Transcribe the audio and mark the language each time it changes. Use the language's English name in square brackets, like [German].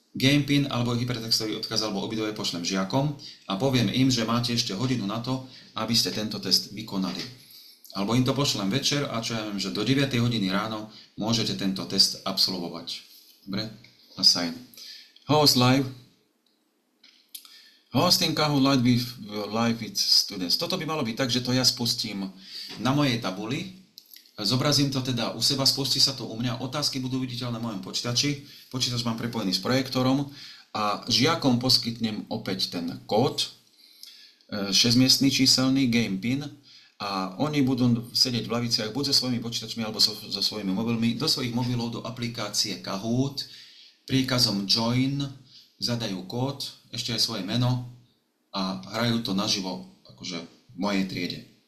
[Slovak] Game pin alebo hypertextový odkaz alebo obidve pošlem žiakom a poviem im, že máte ešte hodinu na to, aby ste tento test vykonali. Alebo im to pošlem večer a čo ja viem, že do 9 hodiny ráno môžete tento test absolvovať. [English] Dobre? Assign. Host live. Hosting Kahoot live with students. [Slovak] Toto by malo byť tak, že to ja spustím na mojej tabuli. Zobrazím to teda u seba, spustí sa to u mňa, otázky budú viditeľné na mojom počítači, počítač mám prepojený s projektorom a žiakom poskytnem opäť ten kód, 6-miestný číselný, game pin, a oni budú sedieť v laviciach buď so svojimi počítačmi alebo so svojimi mobilmi, do svojich mobilov, do aplikácie Kahoot, príkazom join, zadajú kód, ešte aj svoje meno a hrajú to naživo, akože v mojej triede.